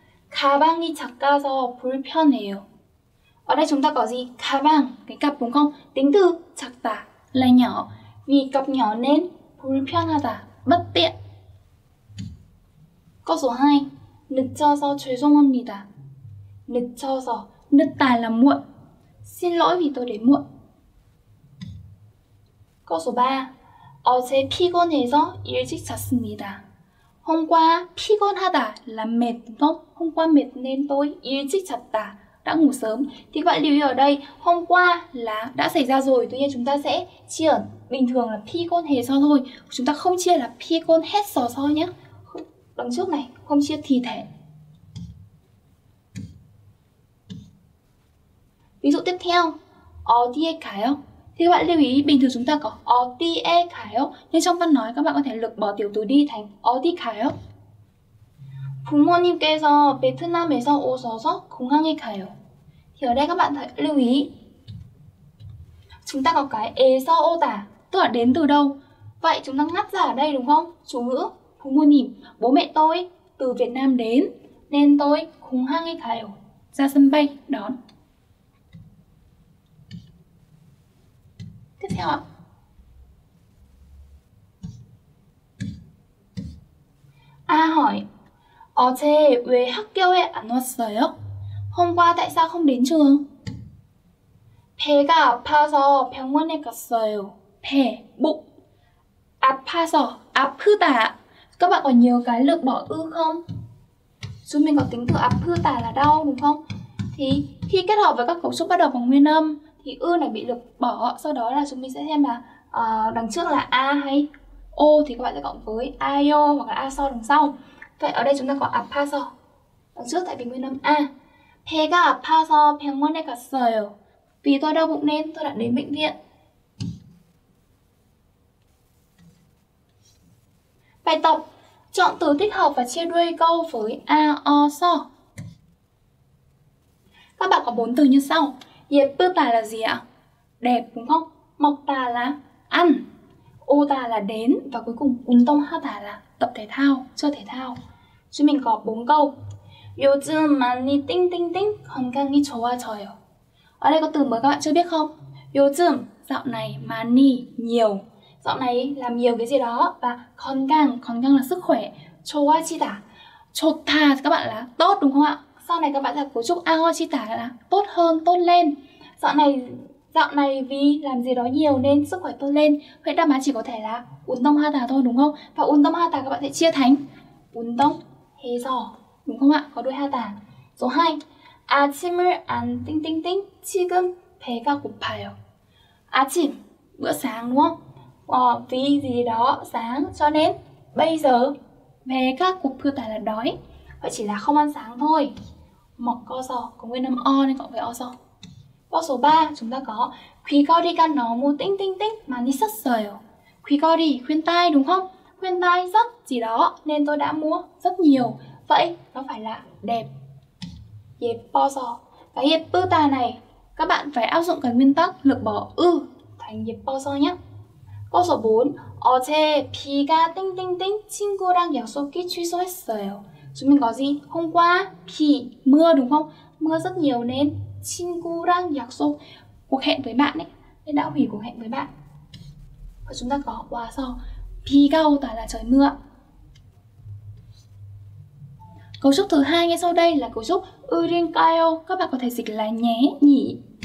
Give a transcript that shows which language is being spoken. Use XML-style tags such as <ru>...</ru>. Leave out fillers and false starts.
<ko>가방이 작아서 불편해요.</ko> <vi>Ở đây chúng ta có gì? 가방, cái cặp đúng không? Tính từ 작다 là nhỏ. Vì cặp nhỏ nên 불편하다, bất tiện. Câu số 2.</vi> <ko>늦어서 죄송합니다.</ko> <vi>늦어서, 늦다 là muộn. Xin lỗi vì tôi đến muộn. Câu số 3.</vi> <ko>어제 피곤해서 일찍 잤습니다.</ko> <vi>Hôm qua 피곤하다 là mệt, đúng không? Hôm qua mệt nên tôi</vi> <ko>일찍 잤다,</ko> <vi>đã ngủ sớm. Thì các bạn lưu ý ở đây, hôm qua là đã xảy ra rồi, tuy nhiên chúng ta sẽ chia ở bình thường là 피곤해서 thôi. Chúng ta không chia là 피곤했어서 nhé. Đằng trước này không chia thì thể. Ví dụ tiếp theo.</vi> <ko>어디에 가요?</ko> <vi>Thì các bạn lưu ý, bình thường chúng ta có</vi> <ko>어디에 가요,</ko> <vi>nhưng trong văn nói các bạn có thể lược bỏ tiểu từ đi thành</vi> <ko>어디 가요. 부모님께서 베트남에서 오셔서 공항에 가요.</ko> <vi>Thì ở đây các bạn thấy, lưu ý, chúng ta có cái 에서 오다, tức là đến từ đâu. Vậy chúng ta ngắt ra ở đây đúng không? Chủ ngữ 부모님, bố mẹ tôi từ Việt Nam đến, nên tôi</vi> <ko>공항에 가요,</ko> <vi>ra sân bay đón. Tiếp theo ạ. A hỏi,</vi> <ko>어제 왜 학교에 안 왔어요?</ko> <vi>Hôm qua tại sao không đến trường?</vi> <ko>배가 아파서 병원에 갔어요. 배, bụng. 아파서, 아프다.</ko> <vi>Các bạn có nhiều cái lược bỏ ư không? Chúng mình có tính từ 아프다 là đau, đúng không? Thì khi kết hợp với các cấu trúc bắt đầu bằng nguyên âm thì ư này bị lược bỏ, sau đó là chúng mình sẽ xem là đằng trước là a hay o thì các bạn sẽ cộng với ayo hoặc là a so đằng sau. Vậy ở đây chúng ta có 아파서 đằng trước tại vì nguyên âm a.</vi> <ko>배가 아파서 병원에 갔어요.</ko> <vi>Vì tôi đau bụng nên tôi đã đến bệnh viện. Bài tập, chọn từ thích hợp và chia đuôi câu với a o so. Các bạn có 4 từ như sau. 예쁘다 là gì ạ? Đẹp đúng không? 먹다 là ăn, 오다 là đến, và cuối cùng 운동하다 là tập thể thao, chơi thể thao. Chúng mình có 4 câu.</vi> <ko>요즘 많이 띵띵띵 건강이 좋아져요.</ko> <vi>Ở đây có từ mới các bạn chưa biết không? 요즘, dạo này, 많이, nhiều. Dạo này làm nhiều cái gì đó. Và 건강, 건강 là sức khỏe. 좋아지다, 좋다 các bạn là tốt đúng không ạ? Sau này các bạn sẽ cấu trúc 좋아지다 là tốt hơn, tốt lên. Dạo này vì làm gì đó nhiều nên sức khỏe tốt lên. Vậy đáp án chỉ có thể là 운동하다 thôi đúng không? Và 운동하다 các bạn sẽ chia thành 운동해서 đúng không ạ? Có đuôi 하다. Số 2.</vi> <ko>아침을 안 띵띵띵 지금 배가 고파요.</ko> <vi>아침, bữa sáng đúng không? Vì gì đó sáng cho nên bây giờ</vi> <ko>배가 고프다</ko> <vi>là đói. Và chỉ là không ăn sáng thôi. 먹어서 có nguyên âm o nên cộng với o서. Câu số 3 chúng ta có</vi> <ko>귀걸이가 너무 띵띵띵 많이 샀어요.</ko> <vi>귀걸이, khuyên tai đúng không? Khuyên tai rất gì đó nên tôi đã mua rất nhiều. Vậy nó phải là đẹp. 예뻐서. Cái 예쁘다 này các bạn phải áp dụng cái nguyên tắc lược bỏ ư thành 예뻐서 nhé. Câu số 4.</vi> <ko>어제 비가 띵띵띵 친구랑 약속이 취소했어요.</ko> <vi>Chúng mình có gì? Hôm qua, 비, mưa đúng không? Mưa rất nhiều nên</vi> <ko>친구랑 약속,</ko> <vi>cuộc hẹn với bạn ấy, nên đã hủy cuộc hẹn với bạn. Và chúng ta có 와서,</vi> <ko>비가 오다</ko> <vi>là trời mưa. Cấu trúc thứ hai ngay sau đây là cấu trúc 으린가요? Các bạn có thể dịch là nhé, nhỉ.</vi>